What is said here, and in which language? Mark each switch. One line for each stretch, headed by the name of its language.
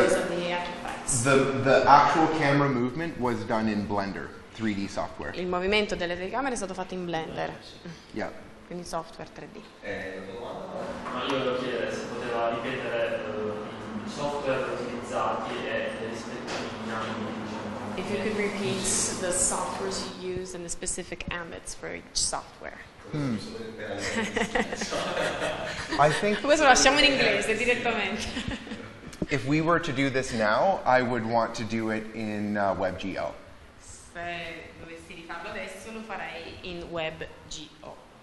English: The actual camera movement was done in Blender, 3D software.
Italian: Il movimento delle telecamere è stato fatto in Blender.
English: Yeah.
Italian: Quindi software 3D. Ma io volevo chiedere se poteva ripetere i software utilizzati e le rispettive ambiti.
English: If you could repeat the softwares you use and the specific ambits for each software. I think
Italian: questo lo lasciamo in inglese direttamente.
English: If we were to do this now, I would want to do it in WebGL.
Italian: Se dovessi rifarlo adesso, lo farei in WebGL.